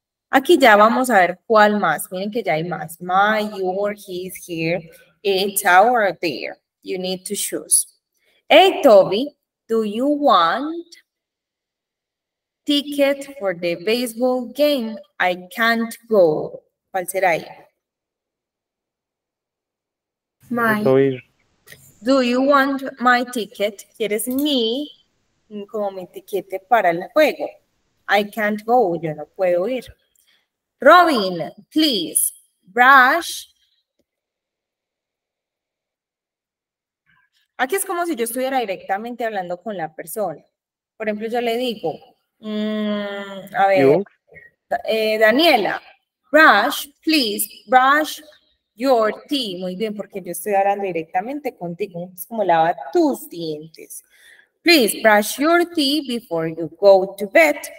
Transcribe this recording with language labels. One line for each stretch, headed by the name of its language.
Spanish: Aquí ya vamos a ver cuál más, miren que ya hay más.
English: My, your, his, here, it's our, there. You need to choose. Hey, Toby, do you want ticket for the baseball game. I can't go.
Spanish: ¿Cuál será ahí?
English: Do you want my ticket?
Spanish: ¿Quieres mi? Como mi tiquete para el juego.
English: I can't go.
Spanish: Yo no puedo ir.
English: Robin, please. Brush.
Spanish: Aquí es como si yo estuviera directamente hablando con la persona. Por ejemplo, yo le digo, a ver, Daniela,
English: brush, please, brush your teeth.
Spanish: Muy bien, porque yo estoy hablando directamente contigo. Es como lava tus dientes.
English: Please, brush your teeth before you go to bed.